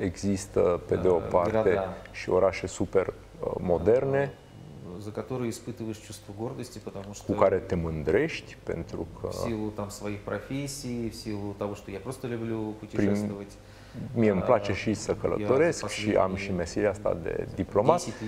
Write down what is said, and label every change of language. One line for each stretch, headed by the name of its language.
Romanian: Există pe de o parte și orașe super moderne,
Russian: за которые испытываешь чувство гордости, потому что
Romanian: cu care te mândrești pentru că
Russian: в силу там своих профессий, в силу того, что я просто люблю путешествовать.
Romanian: Mie îmi place și să călătoresc și am și meseria asta de diplomat.